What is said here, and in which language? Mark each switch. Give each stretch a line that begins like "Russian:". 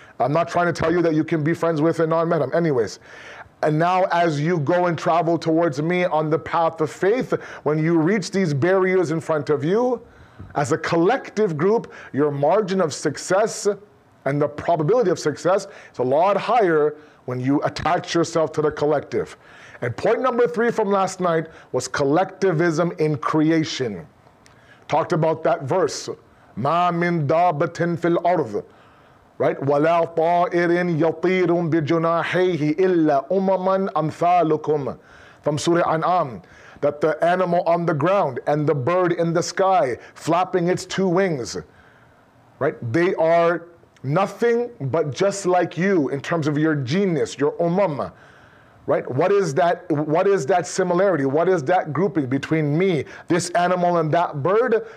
English: I'm not trying to tell you that you can be friends with a non-mahram. Anyways. And now as you go and travel towards me on the path of faith, when you reach these barriers in front of you, as a collective group, your margin of success and the probability of success is a lot higher when you attach yourself to the collective. And point number three from last night was collectivism in creation. Talked about that verse,
Arabic: مَا مِن دَابَةٍ فِي الْأَرْضِ,
English: right?
Arabic: وَلَا طَائِرٍ يَطِيرٌ بِجُنَاحَيْهِ إِلَّا أُمَمًا أَمْثَالُكُمْ, from Surah An'am.
English: That the animal on the ground and the bird in the sky flapping its two wings, right? They are nothing but just like you in terms of your genius, your umam, right? What is that similarity? What is that grouping between me, this animal, and that bird?